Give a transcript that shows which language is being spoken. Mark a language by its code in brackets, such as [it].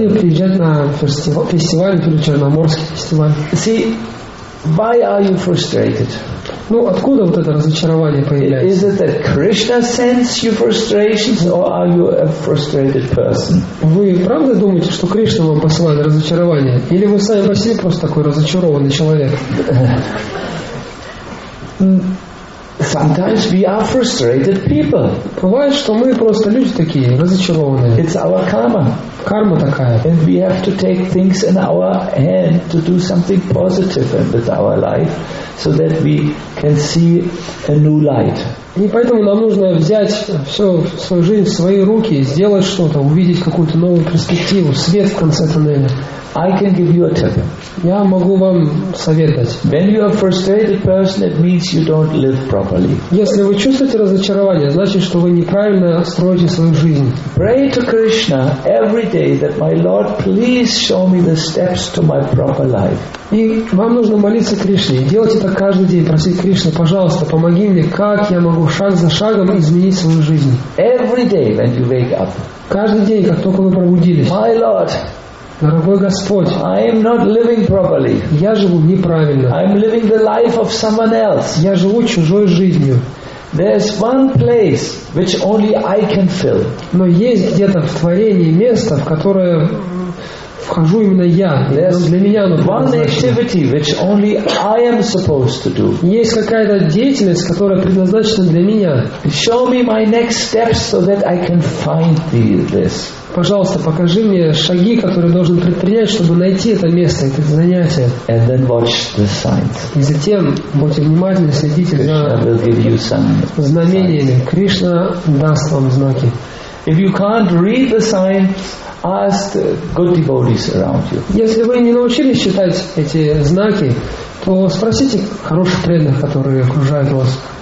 [ru] Или приезжать на фестиваль, или Черноморский фестиваль. [en] See, why are you frustrated? [ru] Ну, откуда вот это разочарование появляется? [en] Is it that Krishna sends you frustrations, or are you a frustrated person? [ru] Вы правда думаете, что Кришна вам посылает разочарование, или вы сами по себе просто такой разочарованный человек? [en] Sometimes we are frustrated people. [ru] Бывает, что мы просто люди такие, разочарованные. [en] It's our karma. [ru] Карма такая. [en] And we have to take things in our hand to do something positive with our life, so that we can see a new light. [ru] И поэтому нам нужно взять все в свою жизнь в свои руки, сделать что-то, увидеть какую-то новую перспективу, свет в конце туннеля. [en] I can give you a tip. [ru] Я могу вам совет дать. [en] When you are a frustrated person, it means you don't live properly. [ru] Если вы чувствуете разочарование, значит, что вы неправильно строите свою жизнь. [en] Pray to Krishna every day that my Lord, please show me the steps to my proper life. [ru] И вам нужно молиться Кришне, делать это каждый день, просить Кришну, пожалуйста, помоги мне, как я могу шаг за шагом изменить свою жизнь. [en] Every day when you wake up. [ru] Каждый день, как только вы пробудились. [en] My Lord. [ru] Дорогой Господь, [en] I am not living properly. [ru] Я живу неправильно. [en] I am living the life of someone else. [ru] Я живу чужой жизнью. [en] There's one place which only I can fill. [ru] Но есть где-то в творении место, в которое вхожу именно я. Для меня оно предназначено. [en] One activity which only I am supposed to do. [ru] Есть какая-то деятельность, которая предназначена для меня. [en] Show me my next steps so that I can find this. [ru] Пожалуйста, покажи мне шаги, которые должен предпринять, чтобы найти это место, это занятие. [en] And then watch the signs. [ru] И затем будьте внимательны, следите за знамениями. Кришна даст вам знаки. [en] If you can't read the signs, ask good devotees around you. [ru] Если вы не научились читать эти знаки, то спросите хороших преданных, которые окружают вас.